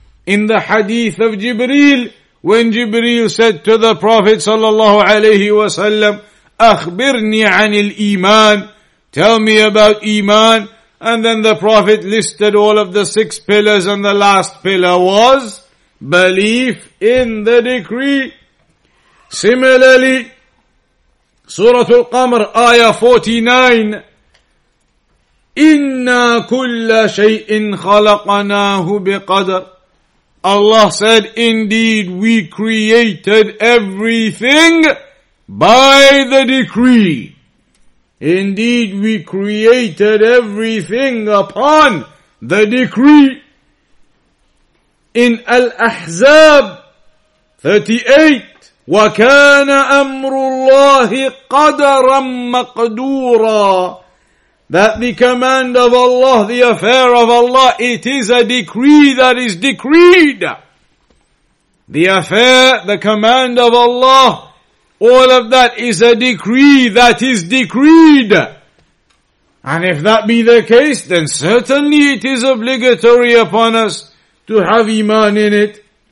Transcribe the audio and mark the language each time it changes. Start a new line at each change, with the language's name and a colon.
English: In the hadith of Jibreel, when Jibreel said to the Prophet sallallahu alayhi wa sallam,
Arabic: أخبرني عن الإيمان,
English: tell me about iman. And then the Prophet listed all of the six pillars, and the last pillar was belief in the decree. Similarly,
Arabic: Surah Al-Qamr, Ayah 49, إِنَّا كُلَّ شَيْءٍ خَلَقَنَاهُ بِقَدَرٍ.
English: Allah said, indeed, we created everything by the decree. Indeed, we created everything upon the decree.
Arabic: In Al-Ahzab 38, وَكَانَ أَمْرُ اللَّهِ قَدَرًا مَقْدُورًا.
English: That the command of Allah, the affair of Allah, it is a decree that is decreed. The affair, the command of Allah, all of that is a decree that is decreed. And if that be the case, then certainly it is obligatory upon us to have iman in it.